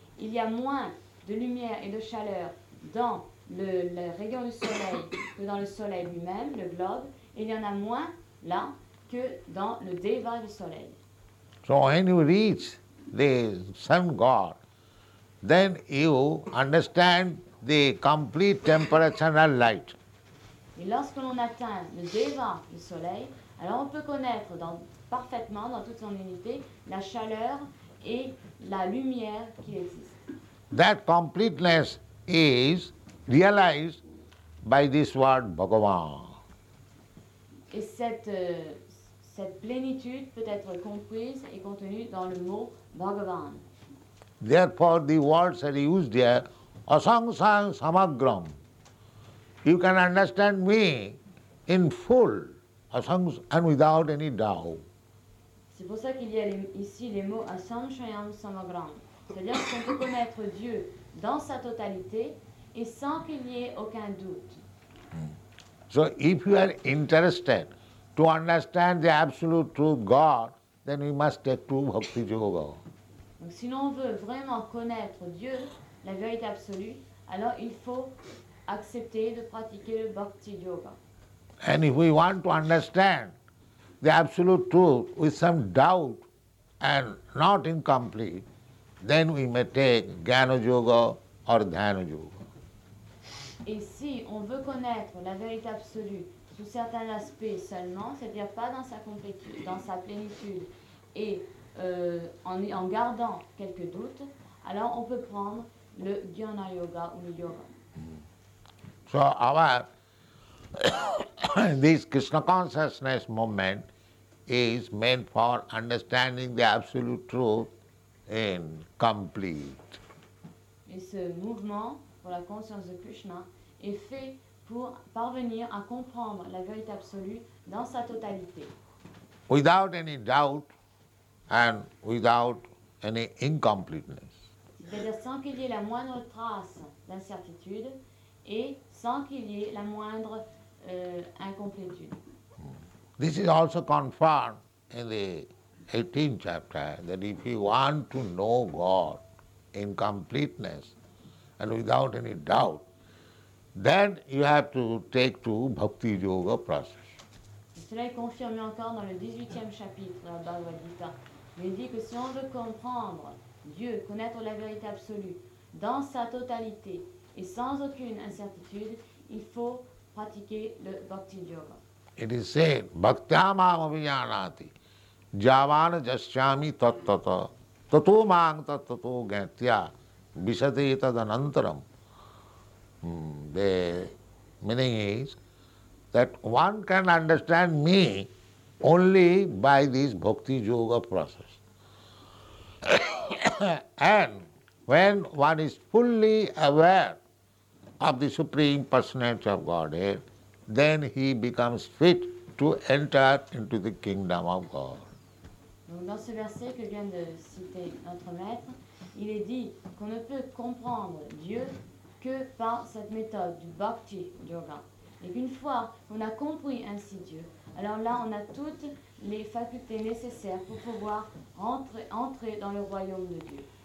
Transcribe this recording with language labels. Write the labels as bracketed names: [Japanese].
[French] Il y a moins de lumière et de chaleur dans le rayon du soleil que dans le soleil lui-même, le globe, et il y en a moins là que dans le Deva du soleil. [English] So when you reach the sun god, then you understand the complete temperature and light. [French] Et lorsque l'on atteint le Deva du soleil, alors on peut connaître parfaitement, dans toute son unité, la chaleur et la lumière qui existent. [English] That completeness is realized by this word Bhagavan. [French] Et cette plénitude peut être comprise et contenue dans le mot Bhagavan. [English] Therefore, the words are used here, asangsang samagram. You can understand me in full, asang and without any doubt. [French] C'est pour ça qu'il y a ici les mots asangshayam samagram. C'est-à-dire qu'on peut connaître Dieu dans sa totalité et sans qu'il y ait aucun doute. [English] So if you are interested to understand the absolute truth God, then we must take to Bhakti Yoga. [French] Donc si l'on veut vraiment connaître Dieu, la vérité absolue, alors il faut accepter de pratiquer le Bhakti Yoga. [English] And if we want to understand the absolute truth with some doubt and not incomplete, then we may take Jnana Yoga or Dhyana Yoga. [French] Et si on veut connaître la vérité absolue sous certains aspects seulement, c'est-à-dire pas dans sa complétude, dans sa plénitude, et en gardant quelques doutes, alors on peut prendre le Jnana Yoga ou le Yoga. [English] So our this Krishna consciousness movement is meant for understanding the absolute truth in complete. [French] Et ce mouvement pour la conscience de Krishna est fait pour parvenir à comprendre la vérité absolue dans sa totalité. [English] Without any doubt and without any incompleteness. [French] C'est-à-dire sans qu'il y ait la moindre trace d'incertitude et sans qu'il y ait la moindre incomplétude. [English] This is also confirmed in the 18th chapter, that if you want to know God in completeness and without any doubt, then you have to take to Bhakti Yoga process. [French] Cela est confirmé encore dans le 18th chapitre de la Bhagavad Gita. Il dit que si on veut comprendre Dieu, connaître la vérité absolue dans sa totalité et sans aucune incertitude, il faut pratiquer le Bhakti Yoga. [English] It is said, [Sanskrit] Bhaktyam avijanati, javana jasyami tattata, tato mang tattato gantya, visadeta danantaram. [English] The meaning is that one can understand me only by this Bhakti Yoga process. And when one is fully aware of the Supreme Personality of Godhead, then he becomes fit to enter into the kingdom of God. [French] Donc dans ce verset que vient de citer notre maître, il est dit qu'on ne peut comprendre Dieu que par cette méthode du Bhakti Yoga. Et qu'une fois qu'on a compris ainsi Dieu, alors là on a toutes les facultés nécessaires pour pouvoir entrer dans le royaume de Dieu.